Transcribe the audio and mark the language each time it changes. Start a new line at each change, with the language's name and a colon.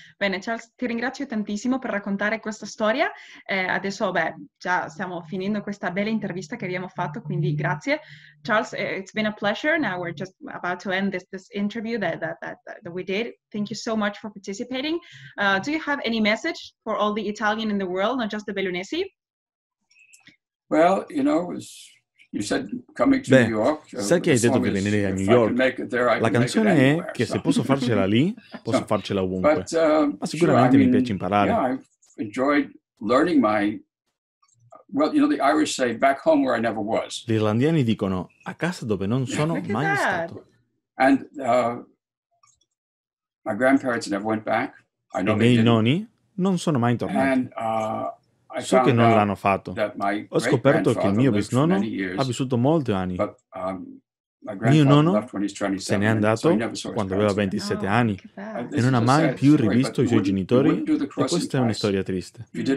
Italian: Bene, Charles, ti ringrazio tantissimo per raccontare questa storia. Adesso, beh, già stiamo finendo questa bella intervista che abbiamo fatto, quindi grazie.
English: Charles, it's been a pleasure. Now we're just about to end this interview that we did. Thank you so much for participating. Do you have any message for all the Italian in the world, not just the Bellunesi? Well, you know, it's... You said coming to
Italian: Beh,
English: New York,
Italian: sai che hai detto che venire a New York? La canzone è che se posso farcela lì, posso farcela ovunque.
English: But,
Italian: ma sicuramente
English: sure,
Italian: mi piace imparare.
English: Yeah, I've enjoyed learning my... Well, you know, the Irish say, back home where I never was.
Italian: Gli irlandesi dicono, a casa dove non sono mai stato.
English: And my grandparents never went back. I know
Italian: e miei
English: didn't.
Italian: Nonni non sono mai tornati.
English: And,
Italian: so che non l'hanno fatto. Ho scoperto che il mio bisnonno ha vissuto molti anni. Mio nonno se n'è andato quando aveva 27 anni e non ha mai più rivisto i suoi genitori, e questa è una storia triste.